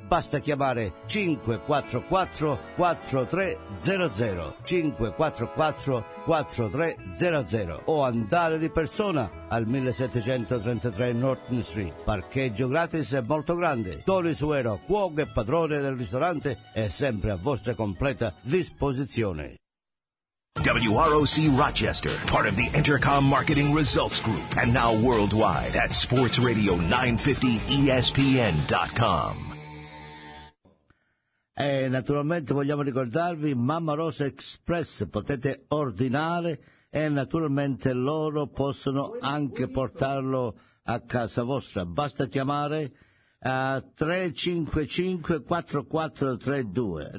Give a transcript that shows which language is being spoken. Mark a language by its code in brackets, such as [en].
[it] Basta chiamare 544-4300, 544-4300, o andare di persona al 1733 Norton Street. Parcheggio gratis e molto grande. Tony Suero, cuoco e padrone del ristorante, è sempre a vostra completa disposizione. [en] WROC Rochester, part of the Intercom Marketing Results Group, and now worldwide at sportsradio950espn.com. [it] E naturalmente vogliamo ricordarvi Mamma Rosa Express, potete ordinare e naturalmente loro possono anche portarlo a casa vostra. Basta chiamare 355-4432.